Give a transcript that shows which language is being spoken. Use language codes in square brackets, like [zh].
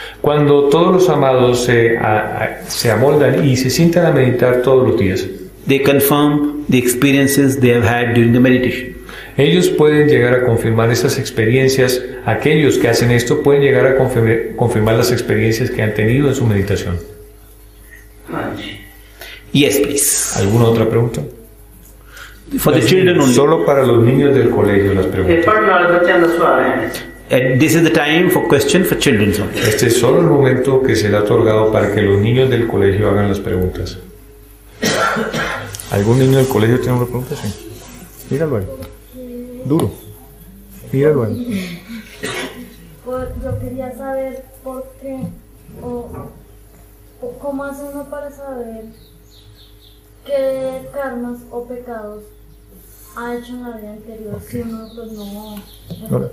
[es] Cuando todos los amados se amoldan y se sientan a meditar todos los días. [en] They confirm the experiences they have had during the meditation. [es] Ellos pueden llegar a confirmar esas experiencias. Aquellos que hacen esto pueden llegar a confirmar las experiencias que han tenido en su meditación. [en] Yes, please. [es] ¿Alguna otra pregunta? [en] For the children only. [es] Solo para los niños del colegio las preguntas. [en] And this is the time for question for children only. [es] Este es solo el momento que se le ha otorgado para que los niños del colegio hagan las preguntas. ¿Algún niño del colegio tiene una pregunta? Sí. Míralo ahí. Duro. Míralo ahí. Yo quería saber por qué o cómo hace uno para saber qué karmas o pecados ha hecho en la vida anterior, okay. Si uno pues no.